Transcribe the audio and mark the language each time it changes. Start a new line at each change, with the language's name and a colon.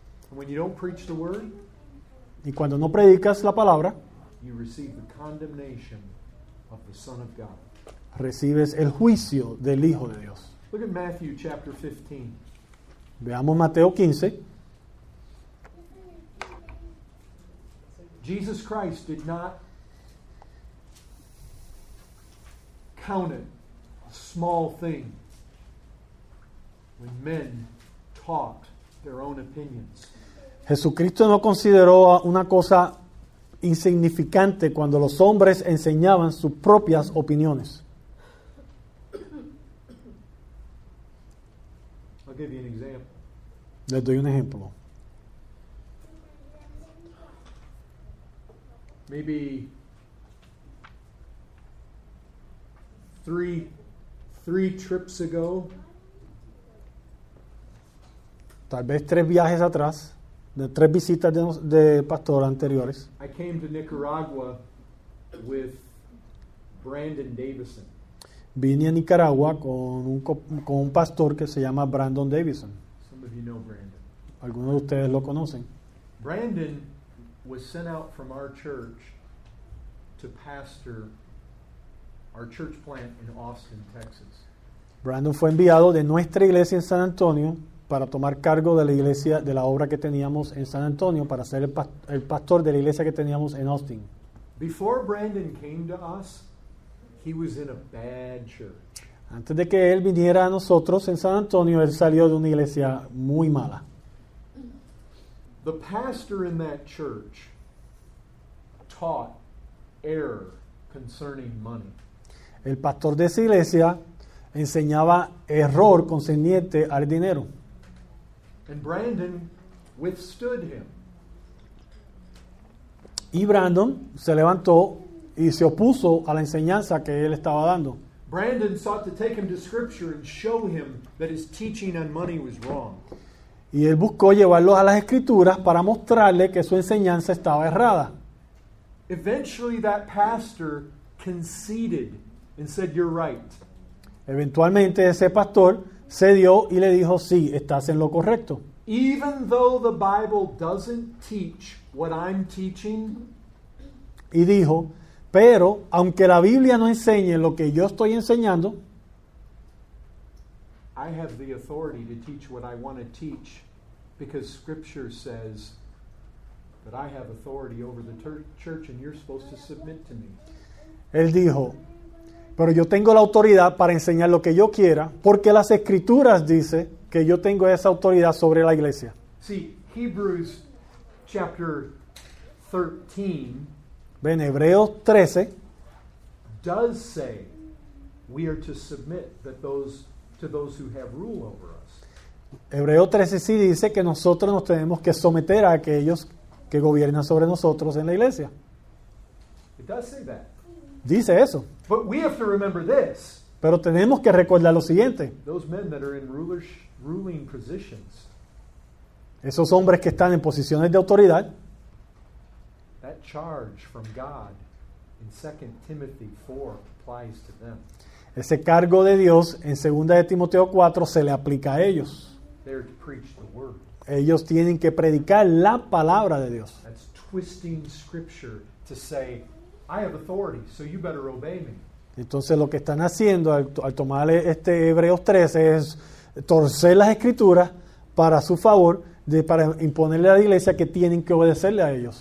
English: When you don't preach the word,
Spanish: y cuando no predicas la palabra,
English: you receive the condemnation of the Son of God.
Spanish: Recibes el juicio del Hijo de Dios.
English: Look at Matthew chapter 15.
Spanish: Veamos Mateo 15.
English: Jesus Christ did not count it a small thing when men taught their own opinions.
Spanish: Jesucristo no consideró una cosa insignificante cuando los hombres enseñaban sus propias opiniones.
English: Give you an example.
Spanish: Les doy un ejemplo.
English: Maybe 3 3 trips ago.
Spanish: Tal vez 3 viajes atrás, de 3 visitas de pastor anteriores.
English: I came to Nicaragua with Brandon Davison.
Spanish: Vine a Nicaragua con un pastor que se llama Brandon Davison.
English: Some of you know Brandon.
Spanish: Algunos de ustedes lo conocen.
English: Brandon was sent out from our church to pastor our church plant in Austin, Texas.
Spanish: Brandon fue enviado de nuestra iglesia en San Antonio para tomar cargo de la iglesia, de la obra que teníamos en San Antonio, para ser el pastor de la iglesia que teníamos en Austin.
English: Before Brandon came to us, he was in a bad church.
Spanish: Antes de que él viniera a nosotros en San Antonio, él salió de una iglesia muy mala.
English: The pastor in that church taught error concerning money.
Spanish: El pastor de esa iglesia enseñaba error concerniente al dinero.
English: And Brandon withstood him.
Spanish: Y Brandon se levantó y se opuso a la enseñanza que él estaba dando.
English: Brandon sought to take him to scripture and show him that his teaching on money was wrong.
Spanish: Y él buscó llevarlo a las escrituras para mostrarle que su enseñanza estaba errada.
English: Eventually that pastor conceded and said, "You're right."
Spanish: Eventualmente ese pastor cedió y le dijo, "Sí, estás en lo correcto."
English: Even though the Bible doesn't teach what I'm teaching,
Spanish: y dijo, pero aunque la Biblia no enseñe lo que yo estoy enseñando,
English: I have the authority to teach what I want to teach because scripture says that I have authority over the church and you're supposed to submit to me.
Spanish: Él dijo, pero yo tengo la autoridad para enseñar lo que yo quiera porque las escrituras dice que yo tengo esa autoridad sobre la iglesia.
English: See, Hebrews chapter 13.
Spanish: Ven, Hebreos 13
English: does say we are to submit to those who have rule over us.
Spanish: Hebreos 13 sí dice que nosotros nos tenemos que someter a aquellos que gobiernan sobre nosotros en la iglesia.
English: It does say that.
Spanish: Dice eso.
English: But we have to remember this.
Spanish: Pero tenemos que recordar lo siguiente.
English: Those men that are in ruling positions.
Spanish: Esos hombres que están en posiciones de autoridad.
English: That charge from God in 2 Timothy 4 applies to them.
Spanish: Ese cargo de Dios en 2 de Timoteo 4 se le aplica a ellos.
English: They're to preach the word.
Spanish: Ellos tienen que predicar la palabra de Dios.
English: That's twisting scripture to say, I have authority, so you better obey me.
Spanish: Entonces lo que están haciendo al tomar este Hebreos 13 es torcer las escrituras para su favor, para imponerle a la iglesia que tienen que obedecerle a ellos.